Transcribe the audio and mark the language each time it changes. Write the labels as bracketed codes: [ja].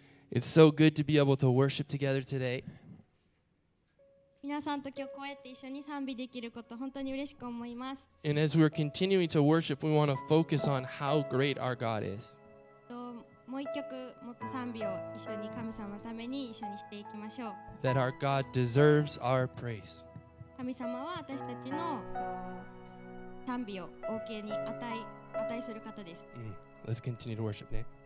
[en] It's so good to be able to worship together today. [ja] 皆さんと今日こうやって一緒に賛美できること本当に嬉しく思います。 [en] And as we're continuing to worship, we want to focus on how great our God is. [ja] もう一曲もっと賛美を一緒に神様のために一緒にしていきましょう。 [en] That our God deserves our praise. [ja] 神様は私たちの賛美を王権に値する方です。 [en] Let's continue to worship ね。